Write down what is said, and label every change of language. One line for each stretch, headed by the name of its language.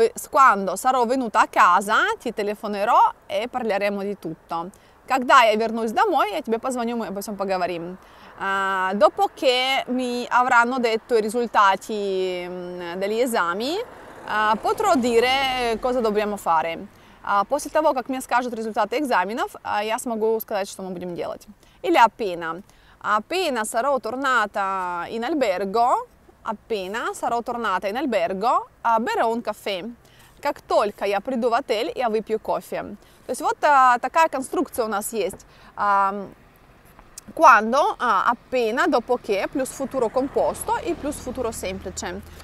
Italian: Quando sarò venuta a casa, ti telefonerò e parleremo di tutto.
Russian: Когда я вернусь домой, я тебе позвоню, мы обо всем поговорим.
Italian: Dopo che mi avranno detto i risultati degli esami, potrò dire cosa dobbiamo fare.
Russian: После того, как мне скажут результаты экзаменов, я смогу сказать, что мы будем делать. Или
Italian: appena sarò tornata in albergo, appena sarò tornata in albergo, berrò un caffè.
Russian: Как только я приду в отель, я выпью кофе. То есть вот такая конструкция у нас есть.
Italian: Quando, appena, dopo che,
Russian: плюс
Italian: futuro composto
Russian: и плюс
Italian: futuro semplice.